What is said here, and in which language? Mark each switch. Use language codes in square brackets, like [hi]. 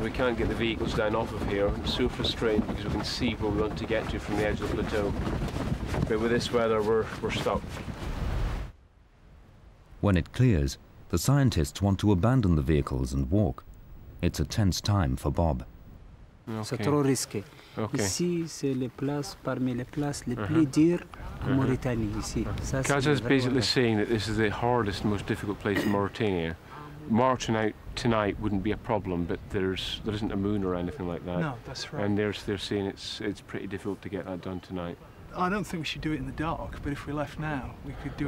[en] We can't get the vehicles down off of here. I'm so frustrated because we can see where we want to get to from the edge of the plateau. But with this weather, we're stuck. When it clears, the scientists want to abandon the vehicles and walk. It's a tense time for Bob. [fr] Okay. C'est trop risqué. Okay. Ici, c'est les places parmi les places les plus dures en Mauritanie. Ici, [en] Kaza is basically saying that this is the hardest, most difficult place in Mauritania. Marching out tonight wouldn't be a problem, but there isn't a moon or anything like that. No, that's right. And they're saying it's pretty difficult to get that done tonight. I don't think we should do it in the dark, but if we left now, we could do